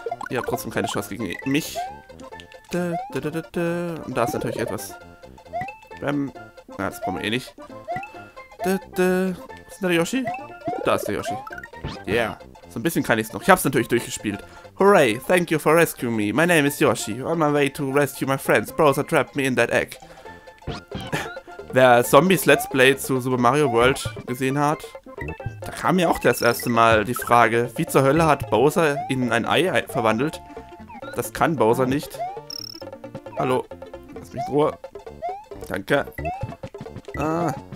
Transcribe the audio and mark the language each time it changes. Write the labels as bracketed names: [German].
[German] Ihr habt trotzdem keine Chance gegen mich. Und da ist natürlich etwas. Na, das brauchen wir eh nicht. Ist da der Yoshi? Da ist der Yoshi. Yeah. So ein bisschen kann ich es noch. Ich hab's natürlich durchgespielt. [English] Hooray, thank you for rescuing me. My name is Yoshi. On my way to rescue my friends. Bros are trapped me in that egg. [German] Wer Zombies Let's Play zu Super Mario World gesehen hat, da kam mir auch das erste Mal die Frage, wie zur Hölle hat Bowser in ein Ei verwandelt? Das kann Bowser nicht. Hallo, lass mich in Ruhe. Danke. Ah.